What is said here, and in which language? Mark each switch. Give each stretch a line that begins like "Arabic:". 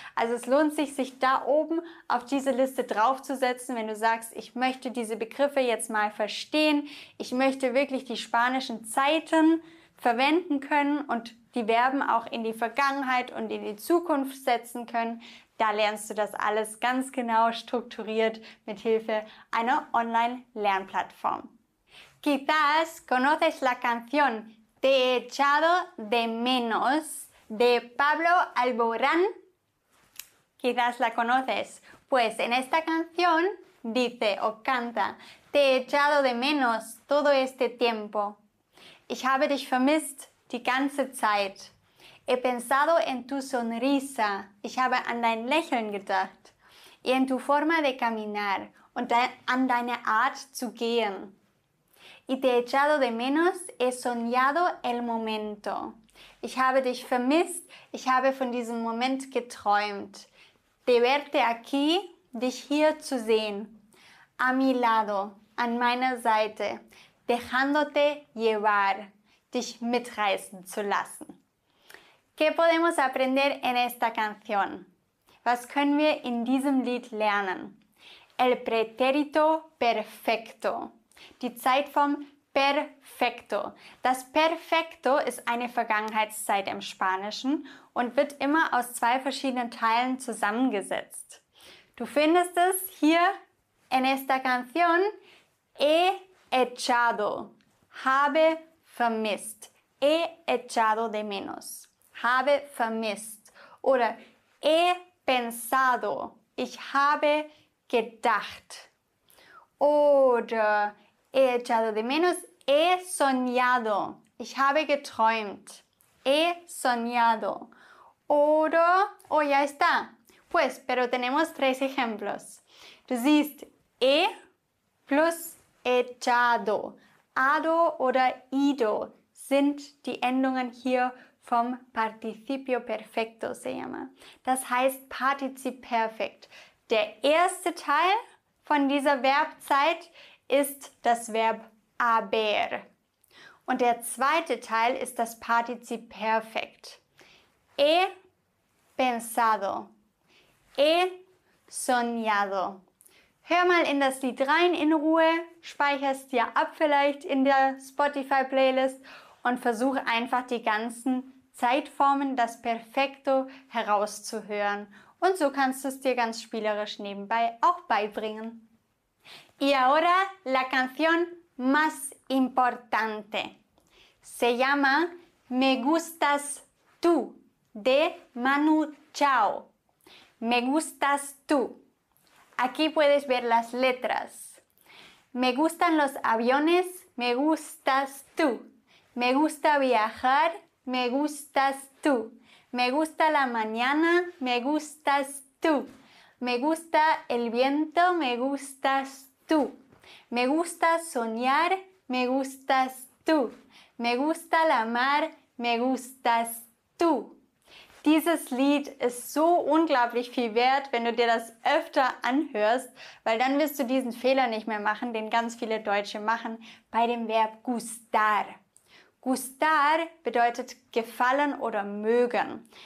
German: Also es lohnt sich, sich da oben auf diese Liste draufzusetzen, wenn du sagst, ich möchte diese Begriffe jetzt mal verstehen, ich möchte wirklich die spanischen Zeiten verwenden können und die Verben auch in die Vergangenheit und in die Zukunft setzen können. Da lernst du das alles ganz genau strukturiert mit Hilfe einer Online-Lernplattform.
Spanish: Quizás conoces la canción Te he echado de menos de Pablo Alborán. Quizás la conoces. Pues en esta canción dice o canta Te he echado de menos todo este tiempo.
German: Ich habe dich vermisst die ganze Zeit.
Spanish: He pensado en tu sonrisa.
German: Ich habe an dein Lächeln gedacht.
Spanish: Y en tu forma de caminar.
German: Und an deine Art zu gehen.
Spanish: Y te he echado de menos. He soñado el momento.
German: Ich habe dich vermisst. Ich habe von diesem Moment geträumt.
Spanish: De verte aquí.
German: Dich hier zu sehen.
Spanish: A mi lado.
German: An meiner Seite.
Spanish: Dejándote llevar,
German: dich mitreißen zu lassen.
Spanish: ¿Qué podemos aprender en esta canción?
German: Was können wir in diesem Lied lernen?
Spanish: El pretérito perfecto.
German: Die Zeitform perfecto. Das perfecto ist eine Vergangenheitszeit im Spanischen und wird immer aus zwei verschiedenen Teilen zusammengesetzt. Du findest es hier
Spanish: en esta canción e echado,
German: habe vermisst,
Spanish: he echado de menos,
German: habe vermisst. Oder
Spanish: he pensado,
German: ich habe gedacht.
Spanish: Oder he echado de menos, he soñado,
German: ich habe geträumt,
Spanish: he soñado. Oder, oh ya está, pues, pero tenemos tres ejemplos.
German: Du siehst, he plus echado. Ado oder ido sind die Endungen hier vom Participio Perfecto, se llama. Das heißt Partizip Perfekt. Der erste Teil von dieser Verbzeit ist das Verb haber. Und der zweite Teil ist das Partizip Perfekt.
Spanish: He pensado. He soñado.
German: Hör mal in das Lied rein in Ruhe, speicher es dir ab vielleicht in der Spotify-Playlist und versuche einfach die ganzen Zeitformen, das Perfekto, herauszuhören. Und so kannst du es dir ganz spielerisch nebenbei auch beibringen.
Spanish: Y ahora la canción más importante. Se llama Me gustas tú, de Manu Chao. Me gustas tú. Aquí puedes ver las letras. Me gustan los aviones, me gustas tú. Me gusta viajar, me gustas tú. Me gusta la mañana, me gustas tú. Me gusta el viento, me gustas tú. Me gusta soñar, me gustas tú. Me gusta la mar, me gustas tú.
German: Dieses Lied ist so unglaublich viel wert, wenn du dir das öfter anhörst, weil dann wirst du diesen Fehler nicht mehr machen, den ganz viele Deutsche machen, bei dem Verb gustar. Gustar bedeutet gefallen oder mögen.